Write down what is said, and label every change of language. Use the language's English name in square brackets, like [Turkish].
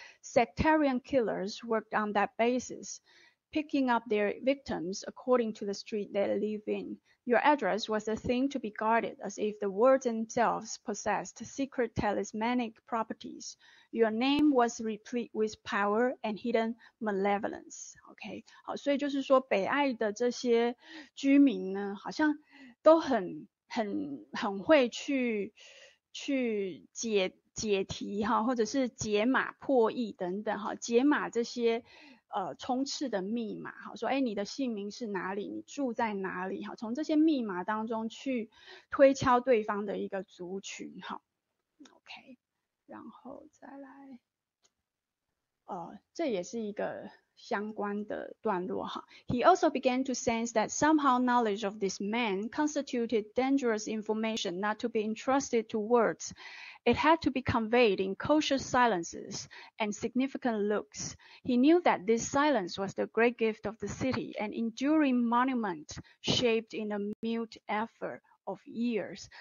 [English] Sectarian killers worked on that basis, picking up their victims according to the street they live in. Your address was a thing to be guarded as if the words themselves possessed secret talismanic properties. Your name was replete with power and hidden malevolence. [Chinese] Okay, 好，所以就是说北爱的这些居民呢，好像都很会去解题哈，或者是解码破译等等哈，解码这些充斥的密码哈，说你的姓名是哪里，你住在哪里哈，从这些密码当中去推敲对方的一个族群哈。 OK， 然后再来，这也是一个相关的段落哈。 [English] He also began to sense that somehow knowledge of this man constituted dangerous information not to be entrusted to words. It had to be conveyed in cautious silences and significant looks. He knew that this silence was the great gift of the city, an enduring monument shaped in a mute effort of years.